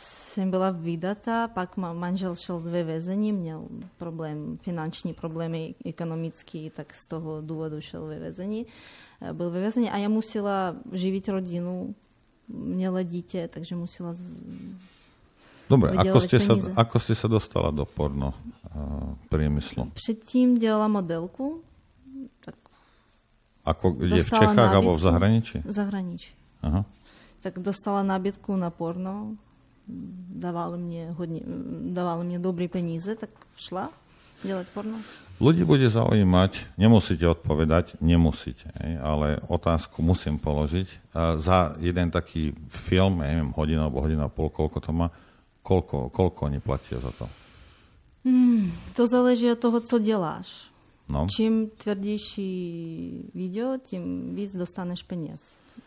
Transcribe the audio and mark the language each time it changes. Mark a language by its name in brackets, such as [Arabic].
[Slovak] Som bola vydatá, [Czech] pak manžel šel dve väzenie, měl problém, finanční problémy, ekonomický, tak z toho důvodu šel ve väzení. Byl ve väzení a ja musela [Slovak] živiť rodinu, [Czech] měla dítě, takže musela... [Slovak] Dobre, ako ste sa dostala do porno priemyslu? [Czech] Předtím dělala modelku. [Slovak] Tak ako je v Čechách alebo v zahraničí? V zahraničí. Aha. [Czech] Tak dostala nabídku na porno, dávala mne dobré peníze, tak šla dělat porno. [Slovak] Ľudí bude zaujímať, nemusíte odpovedať, nemusíte, ale otázku musím položiť. Za jeden taký film, neviem, hodina alebo hodina a pol, koľko to má, koľko oni platia za to? [Czech] To záleží od toho, co deláš. No. [Slovak] Čím tvrdejší video, tým víc dostaneš peniaz.